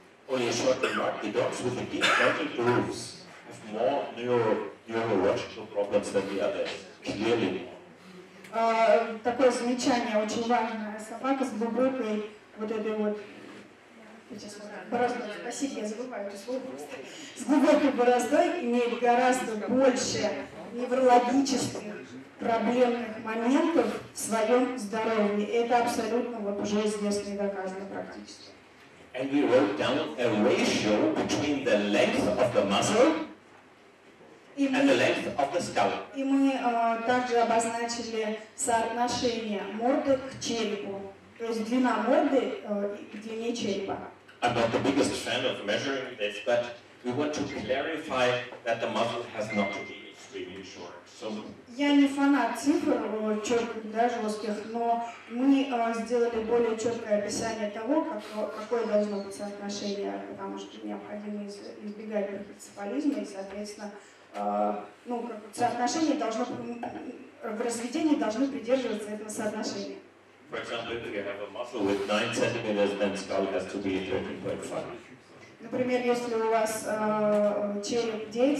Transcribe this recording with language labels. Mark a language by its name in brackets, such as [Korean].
[English] Only a short remark, the dogs with the deep frontal grooves have more neurological problems than the others, clearly more. [Russian] Такое замечание очень важное. Собака с глубокой вот этой вот... Спасибо, я забываю это слово. С глубокой бороздой имеет гораздо больше неврологических проблемных моментов в своем здоровье. Это абсолютно вот уже известно и доказано практически. [English] And we wrote down a ratio between the length of the muscle and the length of the skull. [Russian] И мы также обозначили соотношение морды к черепу, то есть длина морды к длине черепа. [English] I'm not the biggest fan of measuring this, but we want to clarify that the muscle has not to be extremely short. [Russian] Я не фанат цифр четких, да, жестких, но мы сделали более четкое описание того, как, какое должно быть соотношение, потому что необходимо избегать гиперцефализма, и, соответственно, ну, как, соотношение должно, в разведении должны придерживаться этого соотношения. [English] For example, if you have a muscle with 9 centimeters, then skull has to be 13.5. [Russian] Например, если у вас череп 9